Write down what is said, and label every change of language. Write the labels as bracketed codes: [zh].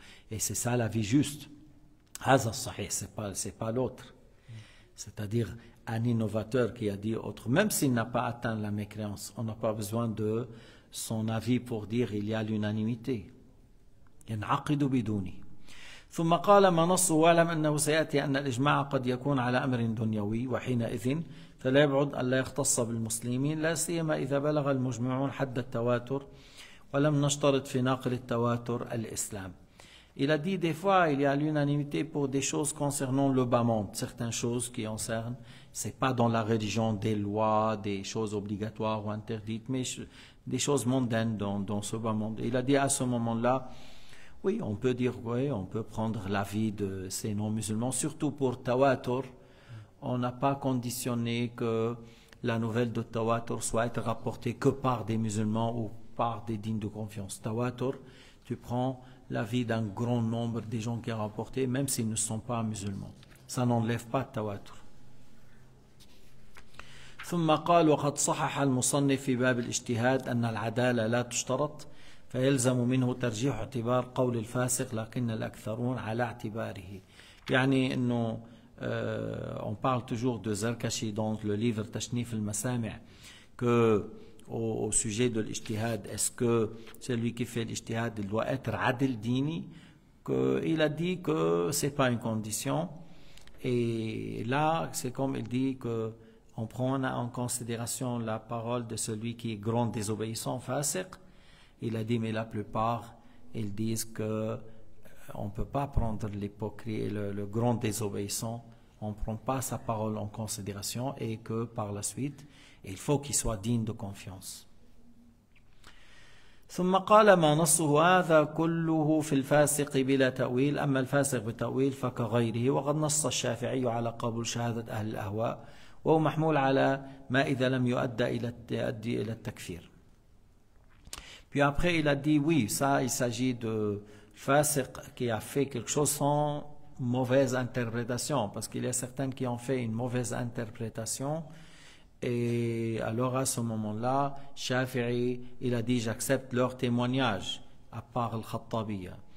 [fr] Et c'est ça la vie juste. [ar] Hazan sahih, [fr] c'est pas l'autre. C'est-à-dire un innovateur qui a dit autre, même s'il n'a pas atteint la mécréance, on n'a pas besoin de son avis pour dire il y a l'unanimité. [ar] Yan'aqidu biduni. ثم قال ما نص ولم انه سياتي ان الاجماع قد يكون على امر دنيوي وحينئذ فلا يبعد الا يختص بالمسلمين لا سيما اذا بلغ المجمعون حد التواتر ولم نشترط في ناقل التواتر الاسلام. [fr] Il a dit des fois il y a l'unanimité pour des choses concernant le bas monde, certaines choses qui concernent, c'est pas dans la religion des lois, des choses obligatoires ou interdites, mais des choses mondaines dans ce bas monde. Il a dit à ce moment-là, oui, on peut dire, oui, on peut prendre l'avis de ces non-musulmans, surtout pour Tawatur. On n'a pas conditionné que la nouvelle de Tawatur soit rapportée que par des musulmans ou par des dignes de confiance. Tawatur, tu prends l'avis d'un grand nombre des gens qui ont rapporté, même s'ils ne sont pas musulmans. Ça n'enlève pas Tawatur. [ar] ثم قال وقد صحح المصنف في باب الاجتهاد أن العدالة لا تشترط فيلزم منه ترجيح اعتبار قول الفاسق لكن الأكثرون على اعتباره. يعني أنه [fr] on parle toujours de Zarkashi dans le livre Tashnif al-Masami' que au sujet de l'ijtihad, est-ce que celui qui fait l'ijtihad doit être adil dini, qu'il a dit que c'est pas une condition. Et là c'est comme il dit que on prend en considération la parole de celui qui est grand désobéissant, fasiq, Il a dit, mais la plupart, ils disent qu'on ne peut pas prendre l'hypocrisie, le grand désobéissant, on ne prend pas sa parole en considération et que par la suite, il faut qu'il soit digne de confiance. [ar] ثم قال ما نصه هذا كله في الفاسق بلا تأويل أما الفاسق بتأويل فكغيره وقد نص الشافعي على قبول شهادة أهل الأهواء وهو محمول على ما إذا لم يؤدى إلى يؤدي إلى التكفير. [fr] Puis après il a dit oui ça il s'agit de فاسق qui a fait quelque chose sans mauvaise interprétation parce qu'il y a certains qui ont fait une mauvaise interprétation. Et alors à ce moment-là, Shafi'i, il a dit, j'accepte leur témoignage, à part le Khattabiyya.